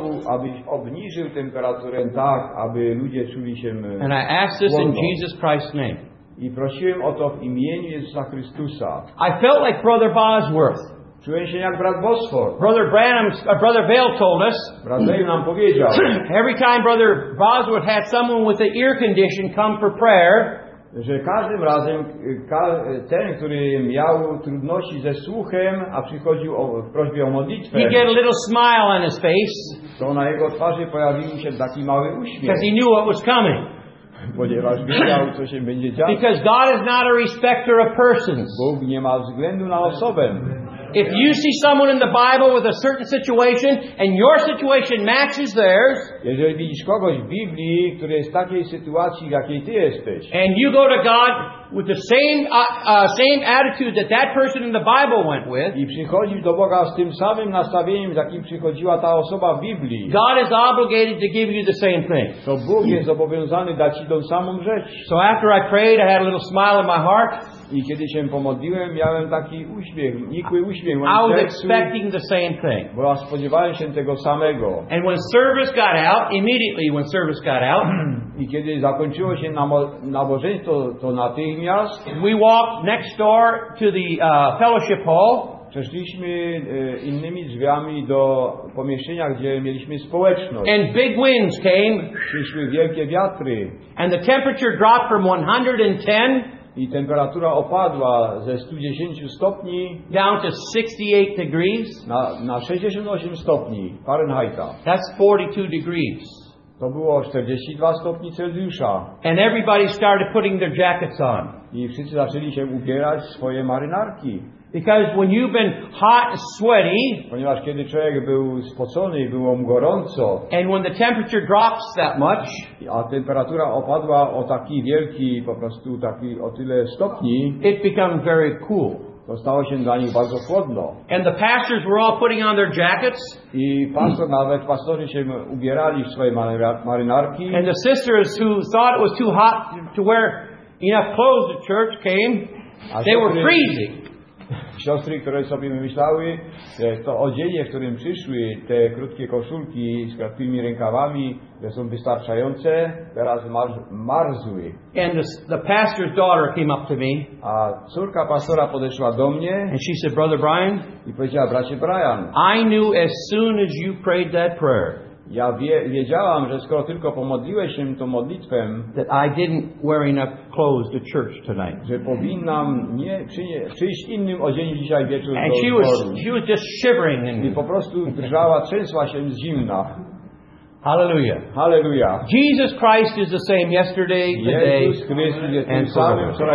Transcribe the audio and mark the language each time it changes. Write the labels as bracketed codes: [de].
[pl] Abyś obniżył temperaturę tak, aby ludzie czuli się. [en] And I ask this in Jesus Christ's name. [pl] I prosiłem o to w imieniu Jezusa Chrystusa. [en] I felt like Brother Bosworth. [pl] Czułem się jak brat Bosford. [en] Brother Branham, Brother Vail told us. [pl] Brat Vail nam powiedział. [en] Every time Brother Bosworth had someone with an ear condition come for prayer. [pl] Że każdym razem ten, który miał trudności ze słuchem, a przychodził w prośbie o modlitwę, [en] he'd get a little smile on his face, [pl] to na jego twarzy pojawił się taki mały uśmiech. [en] Because he knew what was coming. [pl] Ponieważ wiedział, co się będzie działo. [en] Because God is not a respecter of persons. [pl] Bóg nie ma względu na osobę. [en] If you see someone in the Bible with a certain situation and your situation matches theirs, [pl] jeżeli widzisz kogoś w Biblii, który jest w takiej sytuacji, w jakiej ty jesteś, [en] and you go to God with the same same attitude that that person in the Bible went with, [pl] i przychodzisz do Boga z tym samym nastawieniem, z jakim przychodziła ta osoba w Biblii, [en] God is obligated to give you the same thing. [pl] So Bóg jest zobowiązany dać ci tą samą rzecz. [en] So after I prayed, I had a little smile in my heart. [pl] I kiedy się pomodliłem, miałem taki uśmiech, nikły uśmiech. [en] I was expecting the same thing. [pl] Bo ja spodziewałem się tego samego. [en] And when service got out, immediately when service got out, [pl] i kiedy zakończyło się nabożeństwo, to natychmiast [en] we walked next door to the fellowship hall. [pl] Przeszliśmy innymi drzwiami do pomieszczenia, gdzie mieliśmy społeczność. [en] And big winds came. [pl] Przyszły wielkie wiatry. [en] And the temperature dropped from 110. [pl] I temperatura opadła ze 110 stopni [en] down to 68 degrees. [pl] Na 68 stopni Fahrenheita. [en] That's 42 degrees. [pl] To było 42 stopni Celsjusza. [en] And everybody started putting their jackets on. [pl] I wszyscy zaczęli się ubierać swoje marynarki. [en] Because when you've been hot and sweaty, [pl] ponieważ kiedy człowiek był spocony, było mu gorąco, [en] and when the temperature drops that much, [pl] a temperatura opadła o taki wielki, po prostu taki o tyle stopni, [en] it became very cool. [pl] To stało się dla nich bardzo chłodno. [en] And the pastors were all putting on their jackets. [pl] I pastor, nawet pastorzy się ubierali w swoje marynarki. [en] And the sisters who thought it was too hot to wear enough clothes to church came. They were freezing. [pl] Siostry, które sobie myślały, że to odzienie, w którym przyszły, te krótkie koszulki z krótkimi rękawami, że są wystarczające, teraz marzły. [en] And the pastor's daughter came up to me. [pl] A córka pastora podeszła do mnie. [en] And she said, Brother Brian, [pl] i powiedziała, bracie Brian, [en] I knew as soon as you prayed that prayer, [pl] ja wiedziałam, że skoro tylko pomodliłeś się tą modlitwą, [en] that I didn't wear enough clothes to church tonight. [pl] Że powinnam nie przyjść innym odzieniem dzisiaj wieczór. [en] And she was just shivering. [pl] I po prostu drżała, trzęsła się z zimna. [en] Hallelujah. [pl] Hallelujah. [en] Jesus Christ is the same yesterday, today, and forever.